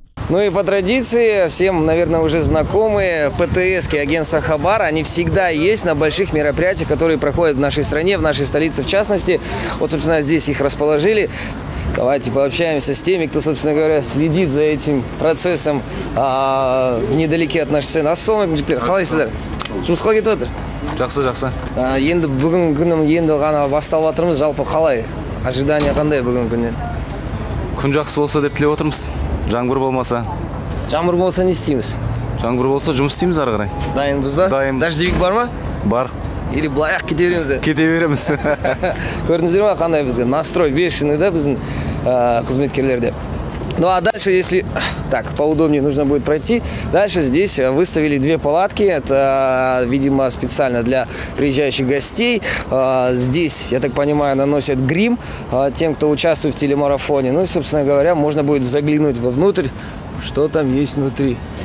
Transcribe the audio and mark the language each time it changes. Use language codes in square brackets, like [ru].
[ru] Ну и по традиции, всем, наверное, уже знакомые ПТС-ки агентства «Хабар», они всегда есть на больших мероприятиях, которые проходят в нашей стране, в нашей столице в частности. Вот, собственно, здесь их расположили. Давайте пообщаемся с теми, кто, собственно говоря, следит за этим процессом недалеке от нашей сцены. [kk] Ассаламу алейкум. Қалай сіздер? Жұмыс қалай кетіп отыр? Жақсы, жақсы. Енді бүгін күнім енді ғана басталып отырмыз. Жалпы қалай? Ожидания қандай бүгін күннен? Күн жақсы болса деп тілеп отырмыз. Жаңбыр болмаса. Жаңбыр болса не істейміз? Жаңбыр болса жұмыс істейміз ары қарай. Дайынбыз ба? Дайын. Дождевик бар ма? Бар. Или былай ақ кете береміз. Кете береміз. Көрдіңіздер ма қандай бізге [ru] настрой бешеный, [kk] да, біздің қызметкерлерде. [ru] Ну а дальше, если так поудобнее, нужно будет пройти. Дальше здесь выставили две палатки. Это, видимо, специально для приезжающих гостей. Здесь, я так понимаю, наносят грим тем, кто участвует в телемарафоне. Ну и, собственно говоря, можно будет заглянуть вовнутрь, что там есть внутри.